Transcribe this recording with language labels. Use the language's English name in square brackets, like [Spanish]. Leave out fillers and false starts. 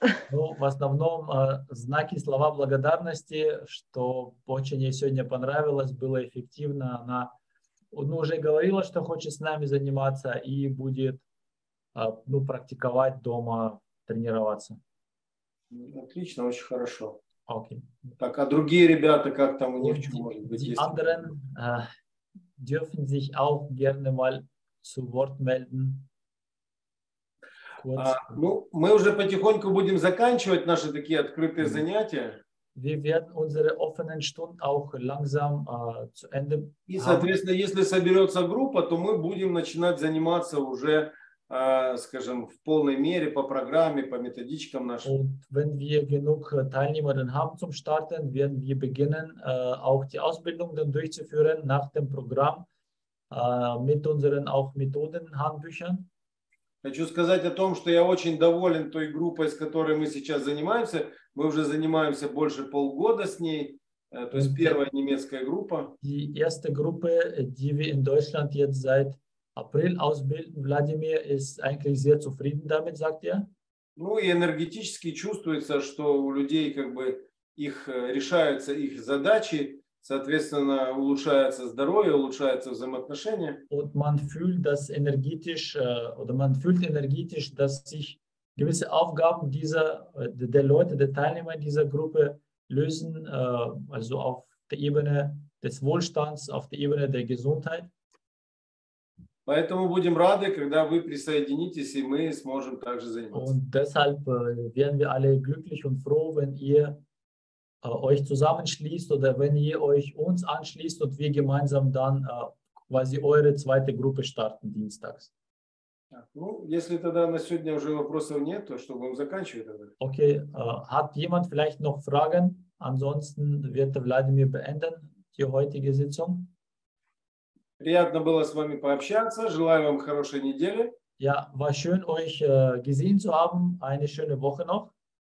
[Russian] Ну, в основном знаки, слова благодарности, что очень ей сегодня понравилось, было эффективно. Она уже говорила, что хочет с нами заниматься и будет практиковать дома, тренироваться. Отлично, очень хорошо. Окей. Так, а другие ребята, как там у них, может быть, есть? [German] Die anderen dürfen sich auch gerne mal zu Wort melden. [Russian] Ну, мы уже потихоньку будем заканчивать наши такие открытые mm-hmm. занятия. [German] Wir werden unsere offenen Stunden auch langsam zu Ende. [Russian] И, соответственно, если соберется группа, то мы будем начинать заниматься уже, скажем, в полной мере по программе, по методичкам нашим. [German] Und wenn wir genug Teilnehmerinnen haben zum Starten, werden wir beginnen, auch die Ausbildung dann durchzuführen nach dem Programm mit unseren auch Methodenhandbüchern. [Russian] Хочу сказать о том, что я очень доволен той группой, с которой мы сейчас занимаемся. Мы уже занимаемся больше полгода с ней. То есть первая немецкая группа. [German] Die erste Gruppe, die wir in Deutschland jetzt seit April ausbilden, Wladimir, ist eigentlich sehr zufrieden damit, sagt er. [Russian] Ну и энергетически чувствуется, что у людей как бы их решаются их задачи, соответственно, улучшается здоровье, улучшаются взаимоотношения. [German] Und man fühlt das energetisch, oder man fühlt energetisch, dass sich gewisse Aufgaben dieser, der Leute, der Teilnehmer dieser Gruppe lösen, also auf der Ebene des Wohlstands, auf der Ebene der Gesundheit. [Russian] Поэтому будем рады, когда вы присоединитесь, и мы сможем также заниматься. [German] Und deshalb werden wir alle glücklich und froh, wenn ihr euch zusammenschließt oder wenn ihr euch uns anschließt und wir gemeinsam dann quasi eure zweite Gruppe starten dienstags. [Russian] Ну, если тогда на сегодня уже вопросов нет, то что будем заканчивать тогда? [German] Okay, hat jemand vielleicht noch Fragen? Ansonsten wird der Wladimir beenden die heutige Sitzung. [Russian] Приятно было с вами пообщаться. Желаю вам хорошей недели. [German] Ja, war schön euch gesehen zu haben. Eine schöne Woche noch.